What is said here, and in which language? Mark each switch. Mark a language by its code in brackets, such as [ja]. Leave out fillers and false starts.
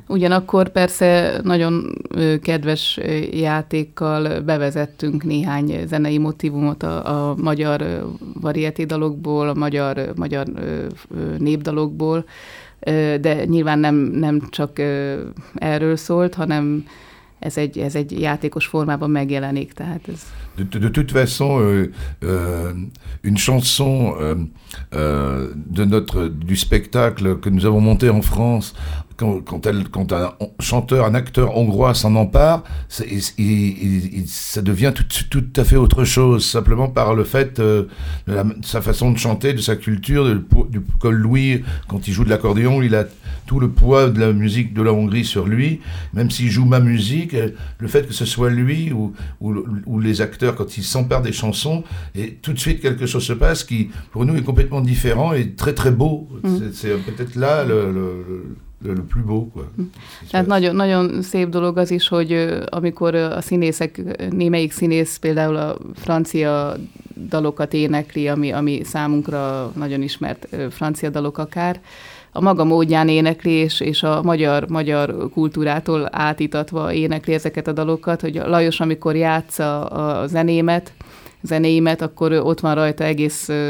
[hu] Ugyanakkor persze nagyon kedves játékkal bevezettünk néhány zenei motivumot a magyar varieté dalokból, a magyar népdalokból, de nyilván nem csak erről szólt, hanem ez egy játékos formában megjelenik, tehát ez. [fr] De toute façon, une chanson du spectacle que nous avons monté en France. Quand un chanteur, un acteur hongrois s'en empare, ça devient tout à fait autre chose, simplement par le fait de sa façon de chanter, de sa culture, du col Louis, quand il joue de l'accordéon, il a tout le poids de la musique de la Hongrie sur lui, même s'il joue ma musique, le fait que ce soit lui ou les acteurs, quand ils s'emparent des chansons, et tout de suite quelque chose se passe qui, pour nous, est complètement différent et très très beau. C'est peut-être là le plus beau, quoi. [hu] Tehát nagyon, nagyon szép dolog az is, hogy amikor a színészek, némelyik színész például a francia dalokat énekli, ami számunkra nagyon ismert francia dalok akár, a maga módján énekli, és a magyar kultúrától átítatva énekli ezeket a dalokat, hogy Lajos, amikor játsza a zenéimet, akkor ott van rajta egész